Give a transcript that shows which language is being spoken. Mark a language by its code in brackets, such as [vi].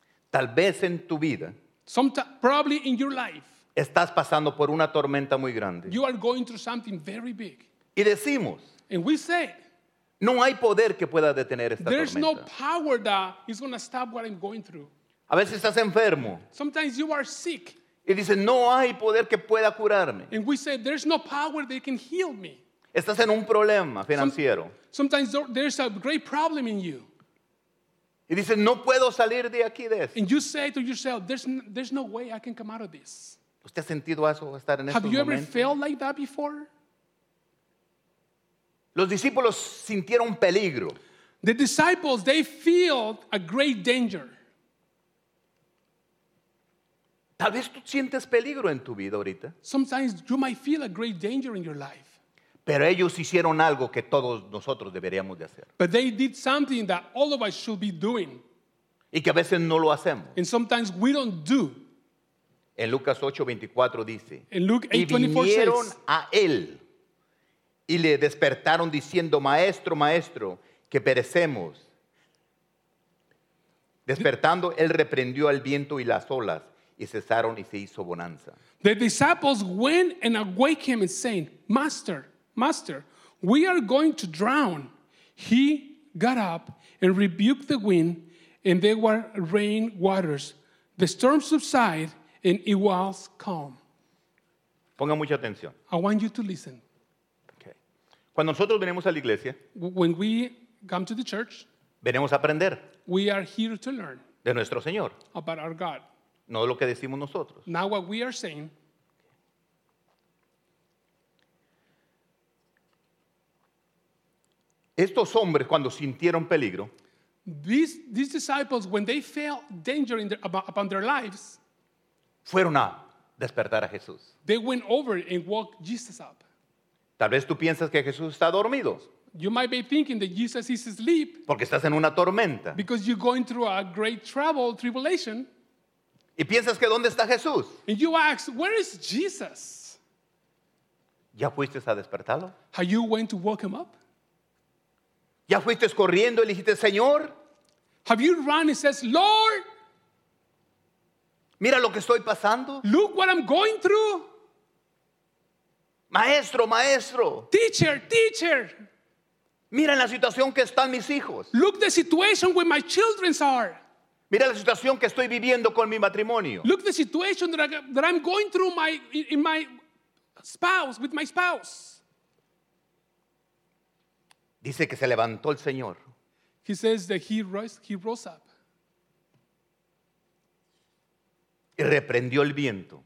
[es] Tal vez en tu vida. [en] Probably in your life. [es] Estás pasando por una tormenta muy grande. [en] You are going through something very big. [es] Y decimos. [en] And we say. [es] No hay poder que pueda detener esta [en] there's [es] tormenta. [en] There's no power that is going to stop what I'm going through. [es] A veces estás enfermo. [en] Sometimes you are sick. [es] Y dice, no hay poder que pueda curarme. [en] And we say, there's no power that can heal me. [es] Estás en un problema financiero. [en] Sometimes there's a great problem in you. [es] Y dice, no puedo salir de aquí de esto. [en] And you say to yourself, there's no way I can come out of this. [es] ¿Usted ha sentido eso, estar en estos [en] Have you ever felt like that before? [es] Los discípulos sintieron peligro. [en] The disciples, they felt a great danger. [es] Tal vez tú sientes peligro en tu vida ahorita. [en] Sometimes you might feel a great danger in your life. [es] Pero ellos hicieron algo que todos nosotros deberíamos de hacer. [en] But they did something that all of us should be doing. [es] Y que a veces no lo hacemos. [en] And sometimes we don't do. [es] En Lucas 8:24 dice. [en] In Luke 8:24 says. [es] Y vinieron a él y le despertaron diciendo, Maestro, Maestro, que perecemos. Despertando, él reprendió al viento y las olas. Y cesaron y se hizo bonanza. [en] The disciples went and awakened him and saying, Master, Master, we are going to drown. He got up and rebuked the wind, and there were rain waters. The storm subsided, and it was calm. [es] Ponga mucha atención. [en] I want you to listen. [es] Okay. Cuando nosotros venimos a la iglesia, [en] when we come to the church, [es] venimos a aprender. [en] We are here to learn. [es] De nuestro Señor. [en] About our God. [es] No lo que decimos nosotros. [en] Now what we are saying. [es] Estos hombres cuando sintieron peligro. [en] These disciples when they felt danger upon their lives. [es] Fueron a despertar a Jesús. [en] They went over and woke Jesus up. [es] Tal vez tú piensas que Jesús está dormido. [en] You might be thinking that Jesus is asleep. [es] Porque estás en una tormenta. [en] Because you're going through a great trouble, tribulation. [es] Y piensas que ¿dónde está Jesús? [en] And you ask, where is Jesus? [es] ¿Ya fuiste a despertarlo? [en] Have you went to wake him up? [es] ¿Ya fuiste corriendo y dijiste, Señor? [en] Have you run and says, Lord? [es] Mira lo que estoy pasando. [en] Look what I'm going through. [es] Maestro, maestro. [en] Teacher, teacher. [es] Mira la situación que están mis hijos. [en] Look the situation where my children are. [es] Mira la situación que estoy viviendo con mi matrimonio. [en] Look the situation that I'm going through with my spouse. [es] Dice que se levantó el Señor. [en] He says that he rose up. [es] Y reprendió el viento.